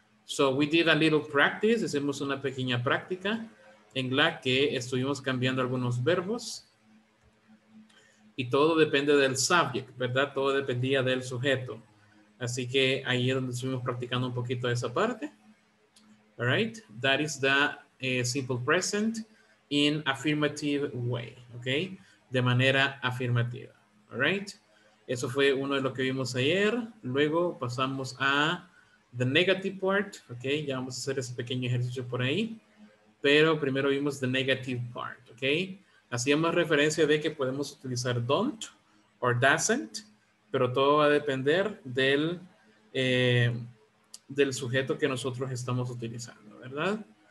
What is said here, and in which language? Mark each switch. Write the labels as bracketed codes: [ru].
[en] So we did a little practice, [es] hicimos una pequeña práctica en la que estuvimos cambiando algunos verbos y todo depende del subject, ¿verdad? Todo dependía del sujeto. Así que ahí es donde estuvimos practicando un poquito esa parte. [en] All right, that is the simple present in affirmative way, okay? [es] De manera afirmativa. All right, eso fue uno de lo que vimos ayer. Luego pasamos a [en] the negative part, okay? [es] Ya vamos a hacer ese pequeño ejercicio por ahí, pero primero vimos [en] the negative part, [es] okay? Hacíamos referencia de que podemos utilizar don't or doesn't, pero todo va a depender del sujeto que nosotros estamos utilizando, ¿verdad?